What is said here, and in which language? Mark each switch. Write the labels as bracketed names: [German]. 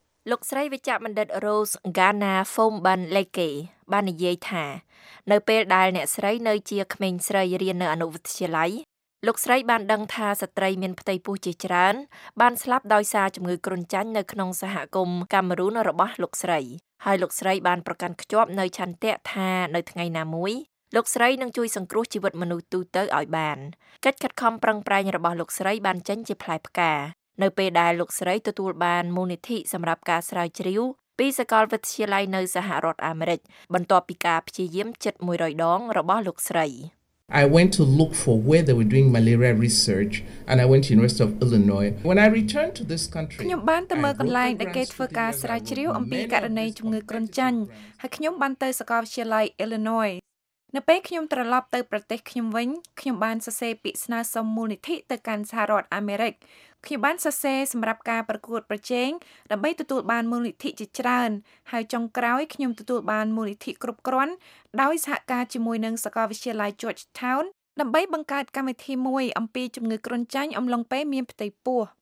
[Khmer] លោកស្រីវិជ្ជបណ្ឌិត Rose Gana Fomban Leke បាននិយាយថានៅពេលដែលអ្នកស្រីនៅជាក្មេងស្រីរៀននៅអនុវិទ្យាល័យលោកស្រីបានដឹងថាស្ត្រីមានផ្ទៃពោះជាច្រើនបានស្លាប់ដោយសារជំងឺគ្រុនចាញ់នៅក្នុងសហគមន៍កាមេរូនរបស់លោកស្រីហើយលោកស្រីបានប្រកាន់ខ្ជាប់នៅឆន្ទៈថានៅថ្ងៃណាមួយលោកស្រីនឹងជួយសង្គ្រោះជីវិតមនុស្សទូទៅឲ្យបានកិច្ចខិតខំប្រឹងប្រែងរបស់លោកស្រីបានចេញជាផ្លែផ្កា នៅពេលដែលលោកស្រីទទួលបានមូនិធិសម្រាប់ការស្រាវជ្រាវពីសាកលវិទ្យាល័យនៅសហរដ្ឋអាមេរិកបន្ទាប់ពីការព្យាយាមជិត100ដងរបស់លោកស្រី [English] I went to look for where they were doing malaria research and I went to University of Illinois. When I returned to this country, [Khmer] ខ្ញុំបានទៅមើលកន្លែងដែលគេធ្វើការស្រាវជ្រាវអំពីករណីជំងឺគ្រុនចាញ់ហើយខ្ញុំបានទៅសាកលវិទ្យាល័យ Illinois. នៅពេលខ្ញុំត្រឡប់ទៅប្រទេសខ្ញុំវិញខ្ញុំបានសរសេរពាក្យស្នើសុំមូលនិធិទៅកាន់សហរដ្ឋអាមេរិកខ្ញុំបានសរសេរសម្រាប់ការប្រកួតប្រជែងដើម្បីទទួលបានមូលនិធិជាច្រើនហើយចុងក្រោយខ្ញុំទទួលបានមូលនិធិគ្រប់គ្រាន់ដោយសហការជាមួយនឹងសាកលវិទ្យាល័យ Georgetown ដើម្បីបង្កើតកម្មវិធីមួយអំពីជំងឺគ្រុនចាញ់អំឡុងពេលមានផ្ទៃពោះ